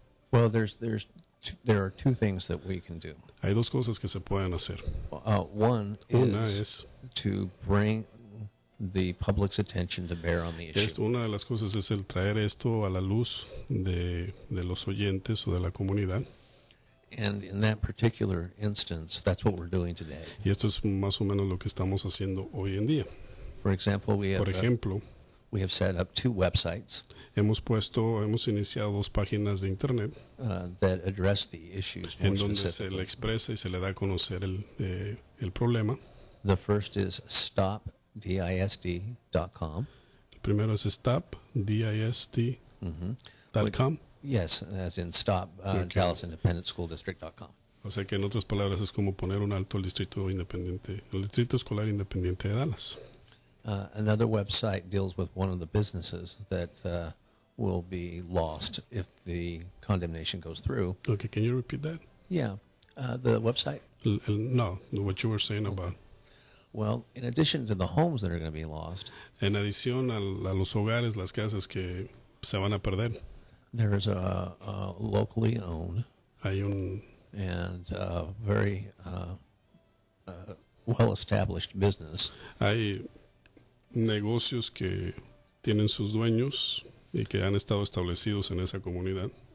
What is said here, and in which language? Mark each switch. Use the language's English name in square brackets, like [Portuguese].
[English] Well, there are two things that we can do. [Spanish] Hay dos cosas que se pueden hacer. Una es [English] to bring the public's attention to bear on the issue. [Spanish] Una de las cosas es el traer esto a la luz de los oyentes o de la comunidad. [English] And in that particular instance, that's what we're doing today. [Spanish] Y esto es más o menos lo que estamos haciendo hoy en día. [English] For example, we have set up 2 websites. [Spanish] Hemos iniciado 2 páginas de internet [English] that address the issues more [Spanish] specifically. En donde se le expresa y se le da a conocer el problema. [English] The first is stopdist.com. [Spanish] El primero es stopdist.com. Mm-hmm. [English] Yes, as in stop Dallas Independent School District.com. [Spanish] O sea que en otras palabras es como poner un alto al distrito independiente, el distrito escolar independiente de Dallas. [English] Another website deals with one of the businesses that will be lost if the condemnation goes through. Okay, can you repeat that? Yeah, the website? No, what you were saying about. Well, in addition to the homes that are going to be lost. [Spanish] En adición a los hogares, las casas que se van a perder. [English] There is a locally owned and very well-established business. [Spanish] Hay negocios que tienen sus dueños y que han estado establecidos en esa comunidad.